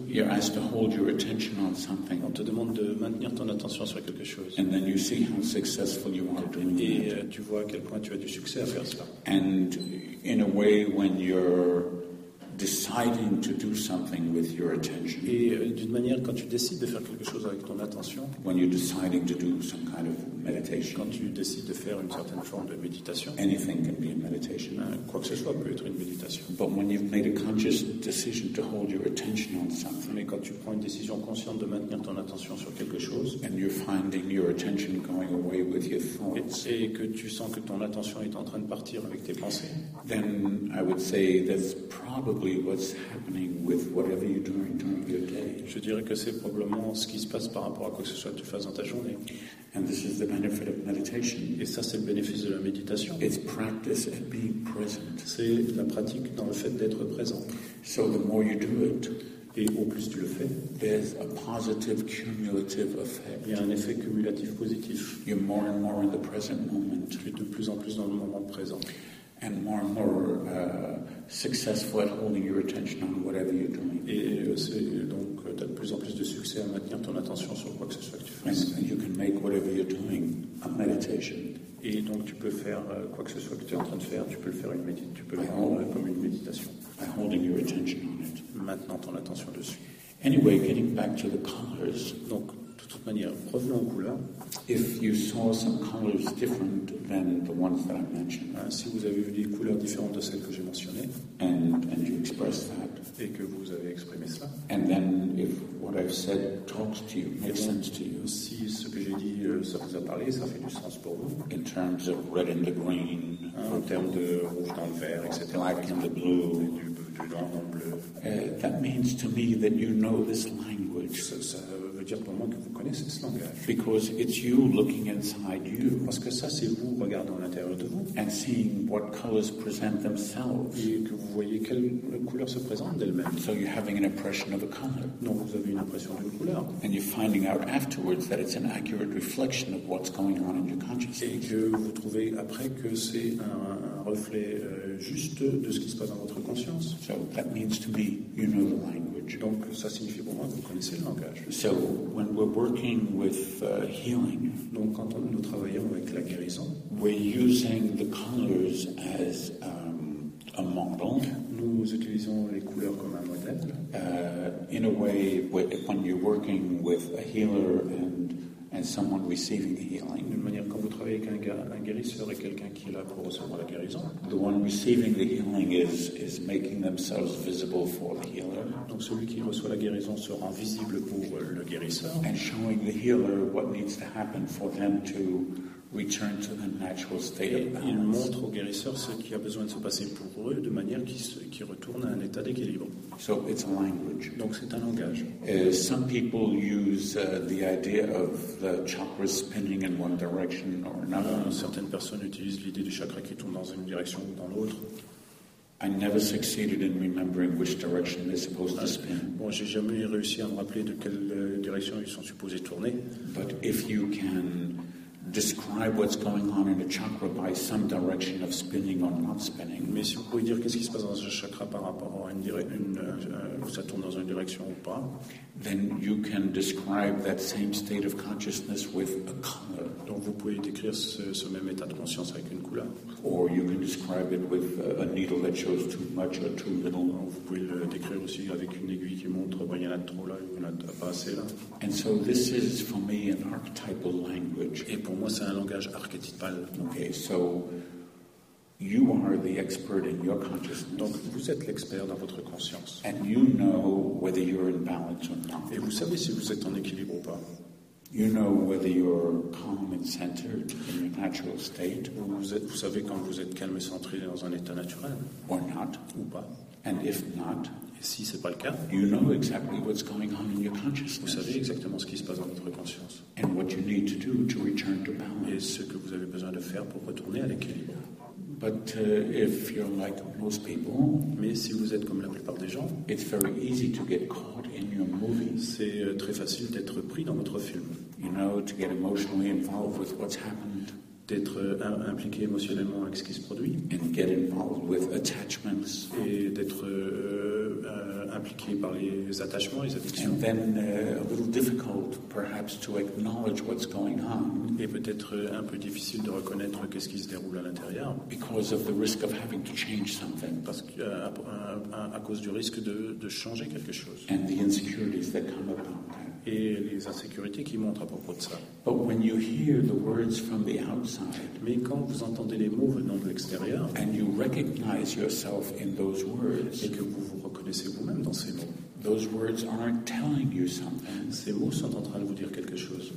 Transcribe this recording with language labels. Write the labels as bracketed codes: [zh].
[en] You're asked to hold your attention on something. [fr] On te demande de maintenir ton attention sur quelque chose. [en] And then you see how successful you are doing it. [fr] Et tu vois à quel point tu as du succès à faire cela. [en] And in a way, when you're deciding to do something with your attention. [fr] Et d'une manière, quand tu décides de faire quelque chose avec ton attention. [en] When you're deciding to do some kind of meditation. [fr] Quand tu décides de faire une certaine forme de méditation. [en] Anything can be a meditation. [fr] Quoi que ce soit peut être une méditation. [en] But when you've made a conscious decision to hold your attention on something. [fr] Mais quand tu prends une décision consciente de maintenir ton attention sur quelque chose. [en] And you're finding your attention going away with your thoughts. [fr] Et que tu sens que ton attention est en train de partir avec tes pensées. [en] Then I would say that's probably what's happening with whatever you're doing during your day. [fr] Je dirais que c'est probablement ce qui se passe par rapport à quoi que ce soit que tu fasses dans ta journée. [en] And this is the benefit of meditation. [fr] Et ça, c'est le bénéfice de la méditation. [en] It's practice at being present. [fr] C'est la pratique dans le fait d'être présent. [en] So the more you do it, [fr] et au plus tu le fais, [en] there's a positive cumulative effect. [fr] Il y a un effet cumulatif positif. [en] You're more and more in the present moment. [fr] Tu es de plus en plus dans le moment présent. [en] And more and more successful at holding your attention on whatever you're doing. [fr] Et c'est donc t'as de plus en plus de succès à maintenir ton attention sur quoi que ce soit que tu fais. [en] And you can make whatever you're doing a meditation. [fr] Et donc tu peux faire quoi que ce soit que tu es en train de faire, tu peux le faire une méditation, tu peux le rendre comme une méditation. [en] By holding your attention on it. [fr] Maintenant ton attention dessus. [en] Anyway, getting back to the colors. [fr] Donc de toute manière, revenons aux couleurs. [en] If you saw some colors different than the ones that I mentioned, [fr] si vous avez vu des couleurs différentes de celles que j'ai mentionnées, [en] and you expressed that, [fr] et que vous avez exprimé cela, [en] and then if what I've said talks to you, makes sense to you, [fr] si ce que j'ai dit ça vous a parlé, ça fait du sens pour vous, [en] in terms of red and the green, [fr] en termes de rouge dans le vert, etc., [en] black and the blue, [fr] du noir dans le bleu, [en] that means to me that you know this language. [fr] Ça veut dire pour moi que vous connaissez ce langage. [en] Because it's you looking inside you. [fr] Parce que ça, c'est vous regardant à l'intérieur de vous. [en] And seeing what colors present themselves. [fr] Et que vous voyez quelles couleurs se présentent d'elles-mêmes. [en] So you're having an impression of a color. [fr] Donc vous avez une impression d'une couleur. [en] And you're finding out afterwards that it's an accurate reflection of what's going on in your consciousness. [fr] Et que vous trouvez après que c'est un reflet juste de ce qui se passe dans votre conscience. [en] So that means to me, you know the language. [fr] Donc ça signifie pour moi que vous connaissez le langage. [en] So when we're working with healing, [fr] donc quand nous travaillons avec la guérison, [en] we're using the colors as a model. [fr] Nous utilisons les couleurs comme un modèle. [en] In a way, when you're working with a healer and someone receiving the healing, [fr] d'une manière quand vous travaillez avec un guérisseur et quelqu'un qui est là pour recevoir la guérison, [en] the one receiving the healing is making themselves visible for the healer. [fr] Donc celui qui reçoit la guérison se rend visible pour le guérisseur, [en] and showing the healer what needs to happen for them to return to the natural state. [fr] Il montre au guérisseur ce qui a besoin de se passer pour eux de manière qui retourne à un état d'équilibre. [en] So it's a language. [fr] Donc c'est un langage. [en] Some people use the idea of the chakra spinning in one direction or another. [fr] Certaines personnes utilisent l'idée du chakra qui tourne dans une direction ou dans l'autre. [en] I never succeeded in remembering which direction they're supposed to spin. [fr] Bon, j'ai jamais réussi à me rappeler de quelle direction ils sont supposés tourner. [en] But if you can describe what's going on in a chakra by some direction of spinning or not spinning. [fr] Mais si vous pouvez dire qu'est-ce qui se passe dans ce chakra par rapport à ça tourne dans une direction ou pas, [en] then you can describe that same state of consciousness with a color. [fr] Donc vous pouvez décrire ce même état de conscience avec une couleur. [en] Or you can describe it with a needle that shows too much or too little. [fr] Vous pouvez le décrire aussi avec une aiguille qui montre bon, il y en a trop là, il y en a pas assez là. [en] And so this is for me an archetypal language. [fr] Et pour moi c'est un langage archétypal. [en] Okay, so You are the expert in your consciousness. [fr] Donc vous êtes l'expert dans votre conscience. [en] And you know whether you're in balance or not. [fr] Et vous savez si vous êtes en équilibre ou pas. [en] You know whether you're calm and centered in your natural state. [fr] Vous savez quand vous êtes calme et centré dans un état naturel. [en] Or not. [fr] Ou pas. [en] And if not. [fr] Et si c'est pas le cas. [en] You know exactly what's going on in your consciousness. [fr] Vous savez exactement ce qui se passe dans votre conscience. [en] And what you need to do to return to balance. [fr] Et ce que vous avez besoin de faire pour retourner à l'équilibre. [en] But if you're like most people, [fr] mais si vous êtes comme la plupart des gens, [en] it's very easy to get caught in your movie. [fr] C'est très facile d'être pris dans votre film. [en] You know, to get emotionally involved with what's happened. [fr] D'être impliqué émotionnellement avec ce qui se produit. [en] And get involved with attachments. [fr] Et d'être impliqué par les attachements, les addictions. [en] And then a little difficult, perhaps, to acknowledge what's going on. [fr] Et peut-être un peu difficile de reconnaître qu'est-ce qui se déroule à l'intérieur. [en] Because of the risk of having to change something. [fr] Parce que à cause du risque de changer quelque chose. [en] And the insecurities that come about. [fr] Et les insécurités qui montrent à propos de ça. [en] But when you hear the words from the outside, [fr] mais quand vous entendez les mots venant de l'extérieur, [en] and you recognize yourself in those words, [fr] et que vous vous reconnaissez vous-même dans ces mots, [en] those words aren't telling you something. [fr] Ces mots sont en train de vous dire quelque chose.